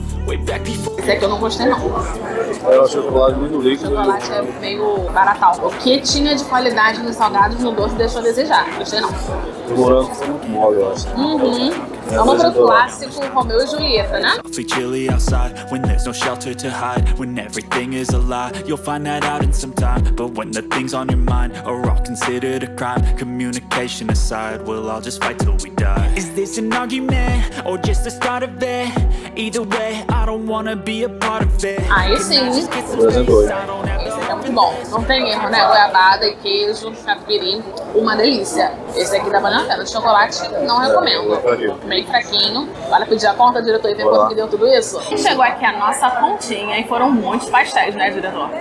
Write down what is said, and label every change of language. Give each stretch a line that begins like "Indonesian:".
Portuguese: Esse aqui eu não gostei, não. Eu achei o chocolate muito líquido. O chocolate é meio baratal. O que tinha de qualidade nos salgados, no doce, deixou a desejar. Gostei, não. O morango foi muito mole, eu acho. Uhum. Vamos pro clássico Romeu e Julieta, né?
English: Sweet chili outside, when there's no shelter to hide, when everything is a lie, you'll find that out in some time. But when the things on your mind are all considered a crime, communication aside, we'll all just fight till we die. Is this an argument or just the start of it? Either way, I don't wanna be a part of it.
Portuguese: Aí sim, esse aqui é muito bom. Não tem erro, né? Goiabada e queijo, caipirinha, uma delícia. Esse aqui tá valendo a pena. Chocolate, não recomendo. Meio fraquinho. Vale pedir a conta, diretor, e ver quanto que deu tudo isso? E chegou aqui a nossa continha e foram muitos pastéis, né, diretor?